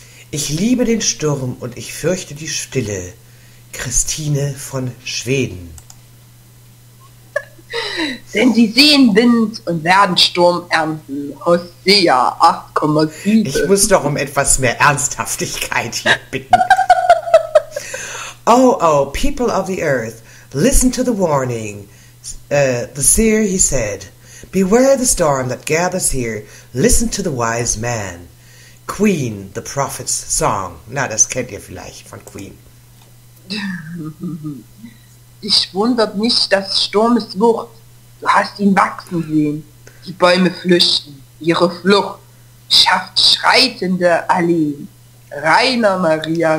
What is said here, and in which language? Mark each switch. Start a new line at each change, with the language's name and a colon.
German: Ich liebe den Sturm und ich fürchte die Stille. Christine von Schweden. Denn sie sehen Wind und werden Sturm ernten. Hosea 8,7. Ich muss doch um etwas mehr Ernsthaftigkeit hier bitten.
English: Oh, people of the earth, listen to the warning. The seer, he said, beware the storm that gathers here. Listen to the wise man. Queen, the prophet's song.
German: Na, das kennt ihr vielleicht von Queen. Dich wundert nicht das Sturmes Wucht. Du hast ihn wachsen sehen. Die Bäume flüchten. Ihre Flucht schafft schreitende Alleen. Rainer Maria